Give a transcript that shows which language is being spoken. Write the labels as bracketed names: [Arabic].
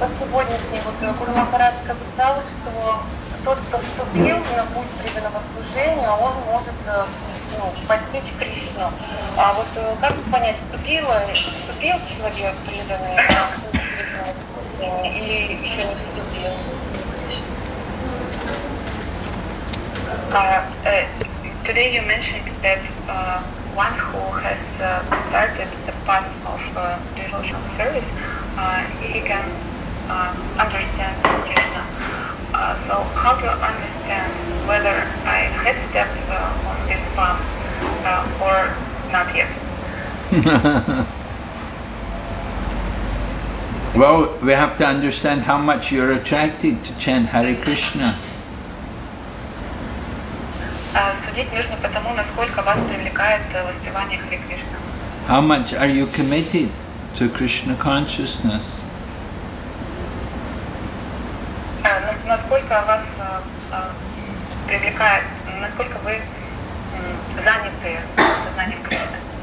[Russian] Гуру Махарадж сказал, что тот, кто вступил на путь преданного служения, он может постичь Кришну. А вот как понять, вступил человек преданный на путь преданного служения или еще не вступил в Кришну? [English] today you mentioned that one who has started a path of devotional service, he can understand Krishna. So how to understand whether I had stepped on this path or not yet? Well, we have to understand how much you're attracted to chant Hare Krishna. [Russian] Судить нужно по тому, насколько вас привлекает воспевание Хари Кришна. [English] How much are you committed to Krishna consciousness? [Russian] Насколько вас привлекает, насколько вы заняты сознанием Кришны?